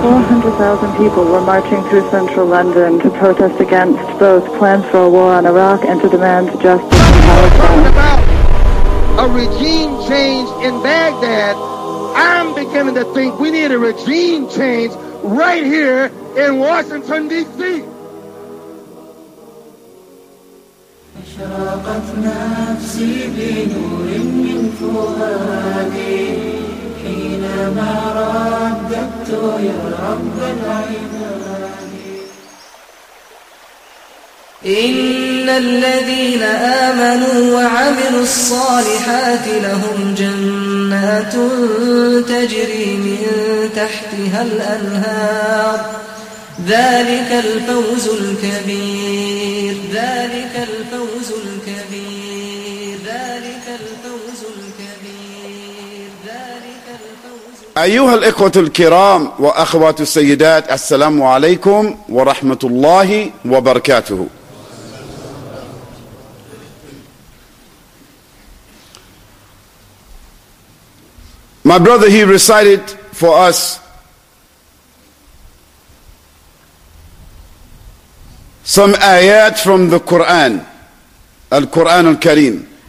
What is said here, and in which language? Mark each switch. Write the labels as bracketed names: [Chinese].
[English] 400,000 people were marching through central London to protest against both plans for a war on Iraq and to demand justice in Palestine. We're talking about a regime change in Baghdad. I'm beginning to think we need a regime change right here in Washington, D.C. [Arabic] أشرقت نفسي بنور من فؤادي حينما رددت يا رب العباد إن الذين آمنوا وعملوا الصالحات لهم جنات تجري من تحتها الأنهار ذلك الفوز الكبير ذلك الفوز الكبير ذلك الفوز الكبير ذلك الفوز الكبير أيها الإخوة الكرام وأخوات السيدات السلام عليكم ورحمة الله وبركاته [English] My brother he recited for us Some ayat from the Quran, Al-Quran Al-Kareem.